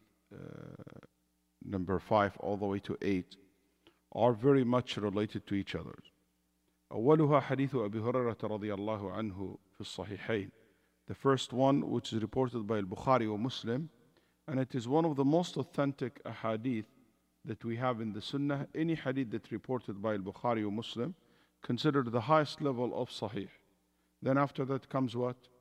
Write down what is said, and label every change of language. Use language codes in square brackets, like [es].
[en] These three ahadith, number five all the way to eight, are very much related to each other. [ar] أولها حديث أبي هريرة رضي الله عنه في الصحيحين. [en] The first one, which is reported by al-Bukhari or Muslim, and it is one of the most authentic ahadith that we have in the Sunnah. Any hadith that's reported by al-Bukhari or Muslim, considered the highest level of sahih. Then after that comes what?